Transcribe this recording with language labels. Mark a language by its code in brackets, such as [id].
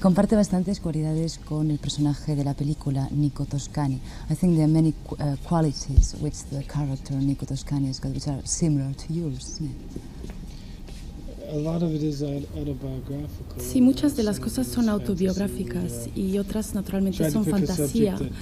[es] Comparte bastantes cualidades con el personaje de la película, Nico Toscani. [en] I think there are many qualities which the character Nico Toscani has got which are similar to yours. A lot of it is autobiographical. [es] Sí, muchas de las cosas son autobiográficas y otras naturalmente son fantasía.